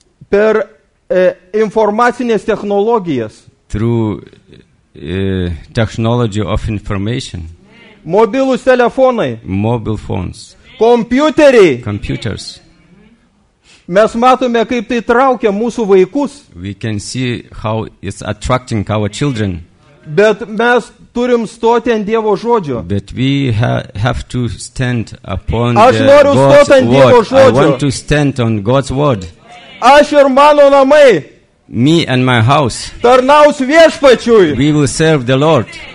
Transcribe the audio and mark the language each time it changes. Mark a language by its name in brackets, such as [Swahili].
[Lithuanian] Per informacinės technologijas. [English] Through technology of information. [Lithuanian] Mobilus telefonai. [English] Mobile phones. [Lithuanian] Kompiuteriai. [English] Computers. [Lithuanian] Mes matome, kaip tai traukia mūsų vaikus. [English] We can see how it's attracting our children. [Lithuanian] Bet mes turim stoti ant Dievo žodžio. [English] But we have to stand upon [Lithuanian] Aš noriu stoti ant Dievo žodžio. [English] I want to stand on God's word. [Lithuanian] Aš ir mano namai. [English] Me and my house. [Lithuanian] Tarnaus viešpačiui. [English] We will serve the Lord.